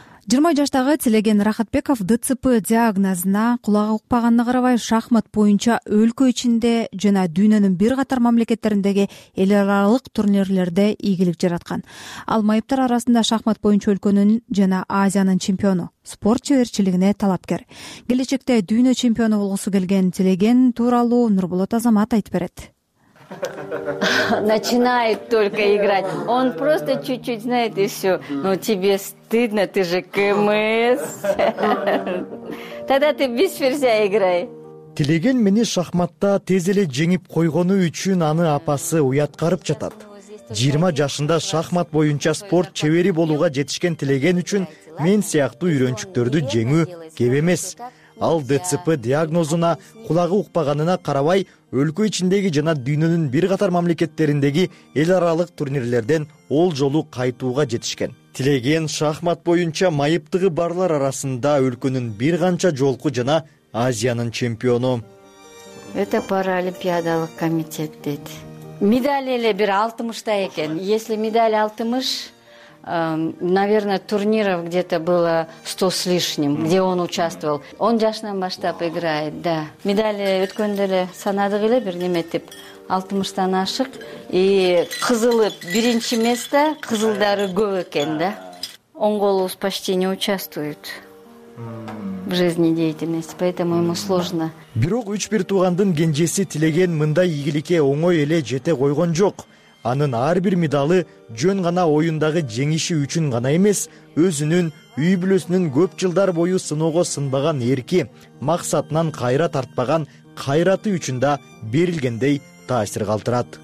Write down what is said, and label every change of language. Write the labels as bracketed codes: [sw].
[ky] Жыйырма жаштагы Тилеген Рахатбеков ДЦП диагнозуна кулак укпаганына карабай шахмат боюнча өлкө ичинде жана дүйнөнүн бир катар мамлекеттериндеги эл аралык турнирлерде ийгилик жараткан. Ал майыптар арасында шахмат боюнча өлкөнүн жана Азиянын чемпиону, спорт чеберчилигине талапкер. Келечекте дүйнө чемпиону болгусу келген Тилеген тууралуу Нурболот Азамат айтып берет. [ru] начинает только играть. Он просто чуть-чуть знает и все. Но тебе стыдно, ты же КМС. Тогда ты без ферзя играй. [ky] Тилеген мени шахматта тез эле жеңип койгону үчүн аны апасы уяткарып жатат. 20 жашында шахмат боюнча спорт чевери болууга жетишкен Тилеген үчүн мен сыяктуу үйрөнчүктөрдү жеңүү кеп эмес. Ал ДЦП диагнозуна кулагы укпаганына карабай, өлкө ичиндеги жана дүйнөнүн бир катар мамлекеттериндеги эл аралык турнирлерден олжолу кайтууга жетишкен. Тилеген шахмат боюнча майыптыгы барлар арасында өлкөнүн бир канча жолку жана Азиянын чемпиону. Это паралимпиадалык комитет дейт. Медаль эле бир 60 экен. [ru] Если медаль 60, наверное, турниров где-то было 100 с лишним, где он участвовал. [ky] Он жашынан баштап играет, да. Медаль өткөндө эле санадык эле бир неметип 60-тан ашык. И кызылы биринчи место, кызылдары көп экен, да. Оң колубуз [ru] почти не участвует в жизни деятельности, поэтому ему сложно. [ky] Бирок 3-1 туугандын кенжеси Тилеген мындай ийгиликке оңой эле жете койгон жок. Анын ар бир медалы жөн гана оюндагы жеңиши үчүн гана эмес, өзүнүн үй бүлөсүнүн көп жылдар бою сыноого сынбаган эрки, максатынан кайра тартпаган кайраты үчүн да берилгендей таасир калтырат.